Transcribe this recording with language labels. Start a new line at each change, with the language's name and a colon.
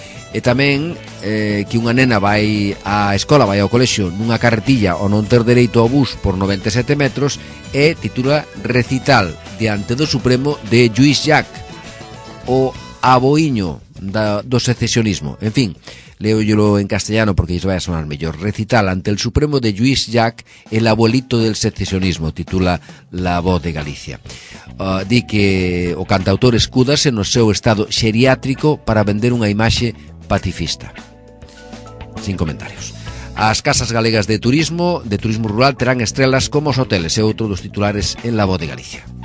Galician: E tamén que unha nena vai á escola, vai ao colexio nunha carretilla ou non ter dereito ao bus por 97 metros e titula recital diante do Supremo de Lluís Llach, o aboiño do secesionismo.
Spanish: En fin, leo yo en castellano porque
Galician: isto vai a sonar mellor.
Spanish: Recital ante el Supremo de Lluís Llach, el abuelito del secesionismo, titula La Voz de Galicia.
Galician: Di que o cantautor escúdase no seu estado xeriátrico para vender unha imaxe pacifista.
Spanish: Sin comentarios.
Galician: As casas galegas de turismo rural, terán estrelas como os hoteles, e outro dos titulares en La Voz de Galicia.